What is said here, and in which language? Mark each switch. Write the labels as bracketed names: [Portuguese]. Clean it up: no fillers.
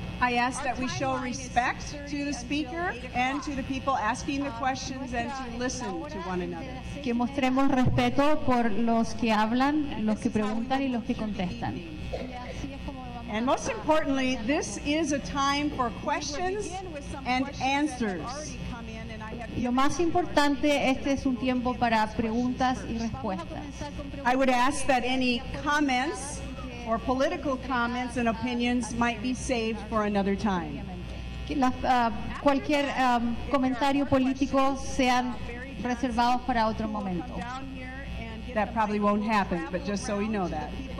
[English] I ask that we show respect to the speaker and to the people asking the questions and to listen to one another. [Spanish] Que mostremos respeto por los que hablan, los que preguntan y los que contestan. [English] And most importantly, this is a time for questions and answers. [Spanish] Lo más importante, este es un tiempo para preguntas y respuestas. [English] I would ask that any comments or political comments and opinions might be saved for another time. [Spanish] Cualquier comentario político sean reservados para otro momento. [English] That probably won't happen, but just so we know that.